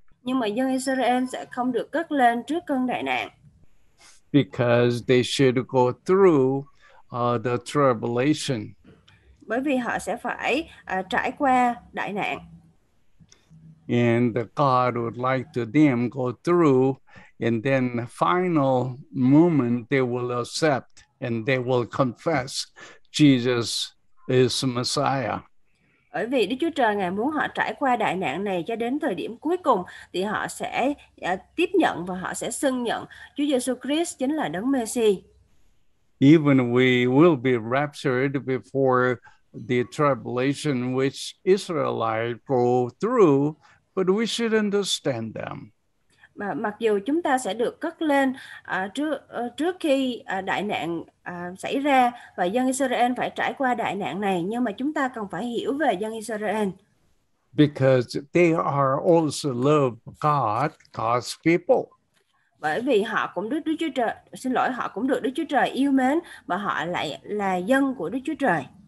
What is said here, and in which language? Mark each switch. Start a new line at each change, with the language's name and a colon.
Vietnamese: Nhưng mà dân Israel sẽ không được cất lên trước cơn đại nạn.
English: Because they should go through the tribulation.
Vietnamese: Bởi vì họ sẽ phải trải qua đại nạn.
English: And God would like to them go through, and then the final moment they will accept and they will confess Jesus is Messiah.
Vietnamese: Bởi vì Đức Chúa Trời ngài muốn họ trải qua đại nạn này cho đến thời điểm cuối cùng thì họ sẽ tiếp nhận và họ sẽ xưng nhận Chúa Giêsu Christ chính là Đấng Messi.
English: Even we will be raptured before the tribulation which Israelites go through, but we should understand them.
Vietnamese: Mà mặc dù chúng ta sẽ được cất lên trước khi đại nạn xảy ra và dân Israel phải trải qua đại nạn này, nhưng mà chúng ta cần phải hiểu về dân Israel.
English: Because they are also loved God, God's people.
Vietnamese: Bởi vì họ cũng được Đức Chúa Trời, xin lỗi, họ cũng được Đức Chúa Trời yêu mến và họ lại là dân của Đức Chúa Trời.